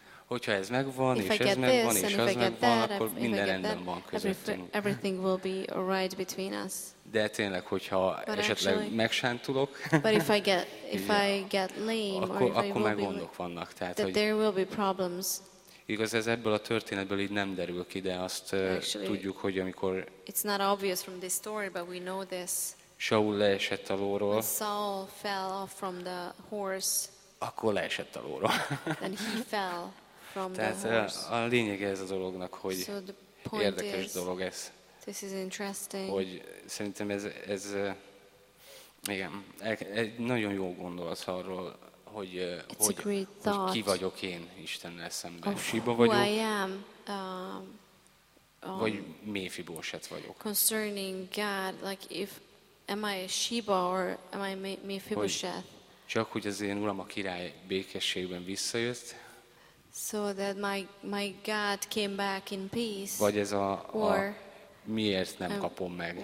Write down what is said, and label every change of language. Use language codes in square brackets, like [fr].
[hu] Hogyha ez megvan, és ez megvan, és az megvan, akkor minden rendben van közöttünk. [en] Everything will be alright between us. [hu] De tényleg, hogyha esetleg megsántulok, [en] but if I get lame, [hu] akkor meg gondok vannak. Tehát, hogy [en] there will be problems. [hu] Igaz, ez ebből a történetből így nem derül ki, de azt [en] actually, [hu] tudjuk, hogy amikor [en] it's not obvious from this story, but we know this. [hu] Saul leesett a lóról. [en] Saul fell off from the horse. [hu] Akkor leesett a lóról. [en] And he fell from [hu] tehát [en] the horse. [hu] A lényeg ez a dolognak, hogy [en] so [hu] érdekes dolog ez. [en] This is interesting. [hu] Hogy szerintem ez igen, egy nagyon jó gondolat arról, hogy hogy ki vagyok én Istennel szemben. Siba vagyok. [en] Who I am. [hu] Vagy Méfibóset vagyok. [en] Concerning God, like if am I Sheba or am I Mephibosheth? [hu] Csak hogy az én uram a király békességben visszajött. [en] So that my God came back in peace. [hu] Vagy ez or miért nem kapom meg?